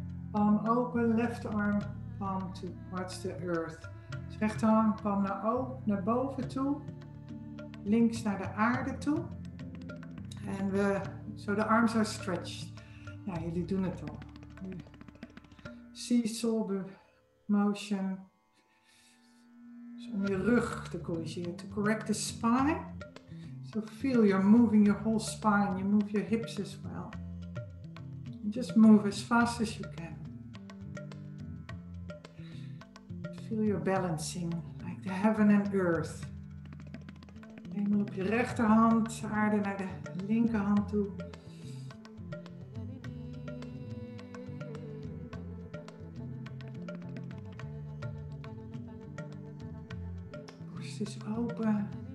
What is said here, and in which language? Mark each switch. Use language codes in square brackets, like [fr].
[en] Palm open, left arm, palm towards the earth. [nl] Dus rechterhand, palm naar boven toe. Links naar de aarde toe. En we, zo de [en] arms are stretched. [nl] Ja, jullie doen het al. [en] Seesaw, motion. [nl] Dus om je rug te corrigeren. [en] To correct the spine. So feel you're moving your whole spine. You move your hips as well. And just move as fast as you can. Feel your balancing like the heaven and earth. [nl] Neem op je rechterhand aarde naar de linkerhand toe. Borst is open.